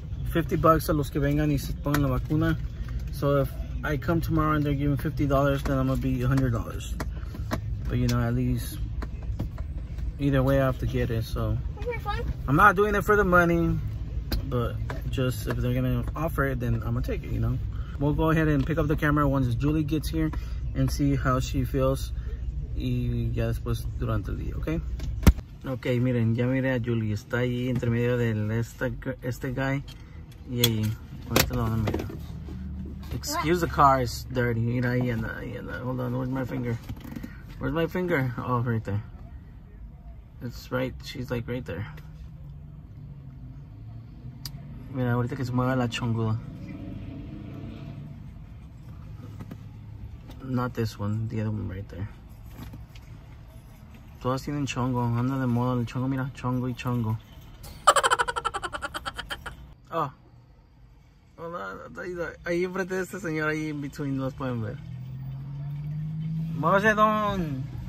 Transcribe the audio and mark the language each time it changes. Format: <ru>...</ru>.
<es>$50 a los que vengan y se pongan la vacuna.</es> <en>So if I come tomorrow and they're giving $50, then I'm gonna be $100. But you know, at least either way, I have to get it. So I'm not doing it for the money, but just if they're gonna offer it, then I'm gonna take it, you know. We'll go ahead and pick up the camera once Julie gets here and see how she feels.</en> <es>Y ya después durante el día, okay? Okay, miren, ya miré a Julie. Está ahí entre medio de este guy. Y ahí, ahorita lo van a mirar.</es> <en>Excuse the car, it's dirty.</en> <es>Mira ahí, anda, ahí anda.</es> <en>Hold on, where's my finger? Where's my finger? Oh, right there. It's right, she's like right there.</en> <es>Mira, ahorita que se mueva la chongula.</es> <en>Not this one, the other one right there.</en> <es>Todas tienen chongo, anda de moda el chongo, mira, chongo y chongo. Oh. Hola, ahí enfrente de este señor, ahí</es> <en>in between,</en> <es>los pueden ver. Mazedon.</es>